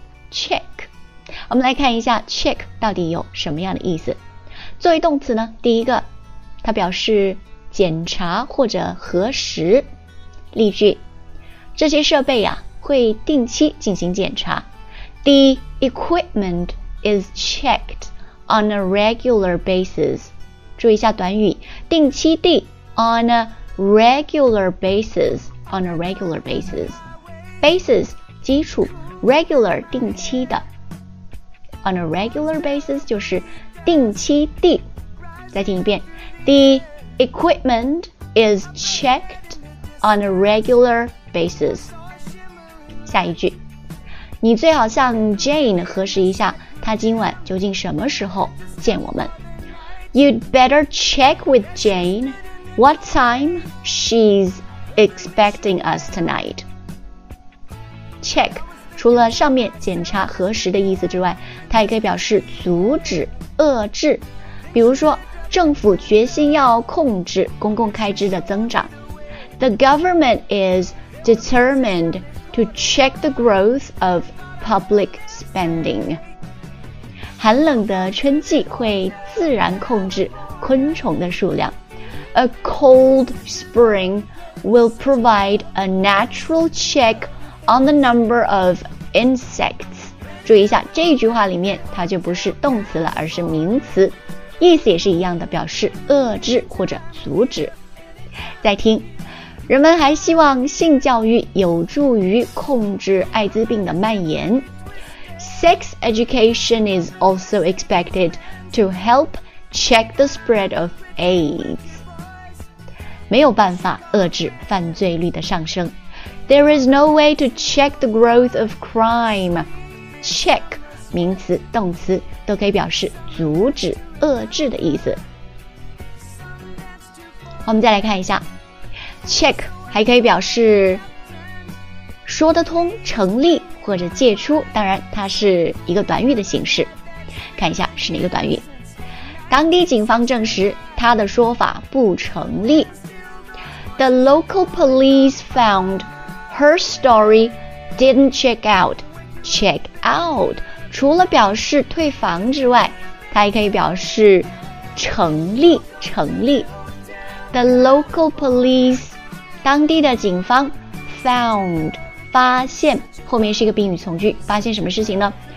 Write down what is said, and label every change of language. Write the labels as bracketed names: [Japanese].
[Chinese] check，我们来看一下 check 到底有什么样的意思。作为动词呢，第一个它表示检查或者核实。例句，这些设备啊会定期进行检查。 [English] The equipment is checked on a regular basis。 [Chinese] 注意一下短语定期地 [English] on a regular basis。 on a regular basis， basis 基础， regular 定期的。 On a regular basis [Chinese] 就是定期地。再听一遍， [English] The equipment is checked on a regular basis。 [Chinese] 下一句，你最好向 Jane 核实一下她今晚究竟什么时候见我们。 [English] You'd better check with Jane what time she's expecting us tonight。 [Chinese] Check除了上面检查核实的意思之外，它也可以表示阻止、遏制。比如说，政府决心要控制公共开支的增长。 [English] The government is determined to check the growth of public spending。 [Chinese] 寒冷的春季会自然控制昆虫的数量。 [English] A cold spring will provide a natural check on the number of insects。 [Chinese] 注意一下这句话里面它就不是动词了，而是名词，意思也是一样的，表示遏制或者阻止。再听，人们还希望性教育有助于控制艾滋病的蔓延。 [English] Sex education is also expected to help check the spread of AIDS。 [Chinese] 没有办法遏制犯罪率的上升。 [English] There is no way to check the growth of crime. [Chinese] Check 名词、动词都可以表示阻止、遏制的意思。我们再来看一下， check 还可以表示说得通、成立或者借出，当然它是一个短语的形式。看一下是哪个短语，当地警方证实他的说法不成立。 [English] The local police foundHer story didn't check out. [Chinese] Check out 除了表示退房之外，它也可以表示成立、成立。 [English] The local police [Chinese] 当地的警方 found 发现，后面是一个宾语从句，发现什么事情呢？